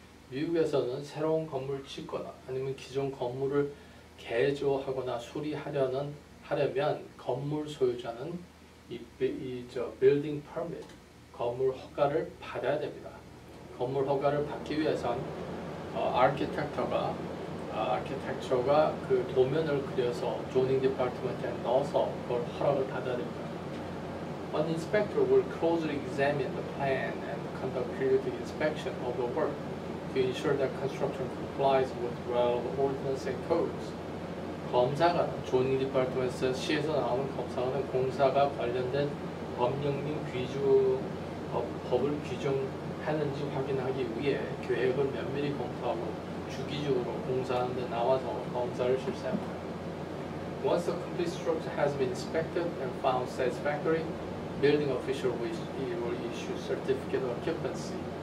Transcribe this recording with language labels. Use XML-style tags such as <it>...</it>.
<ko>미국에서는 새로운 건물을 짓거나 아니면 기존 건물을 개조하거나 하려면 건물 소유자는 이 빌딩 퍼밋, 건물 허가를 받아야 됩니다. 건물 허가를 받기 위해선 아키텍처가 그 도면을 그려서 조닝 디파트먼트에 넣어서 그걸 허락을 받아야 됩니다.</ko> <en>An inspector will closely examine the plan and conduct periodic inspection of the work. To ensure that construction complies with relevant ordinance and codes.</en> <ko>검사가 조닝 디파트먼트에서 시에서 나오는 검사는 공사가 관련된 법령님 규주 법을 규정하는지 확인하기 위해 계획을 면밀히 검토하고 주기적으로 공사하는 데 나와서 검사를 실시합니다.</ko> <en>Once a complete structure has been inspected and found satisfactory, building official will issue certificate of occupancy.</en>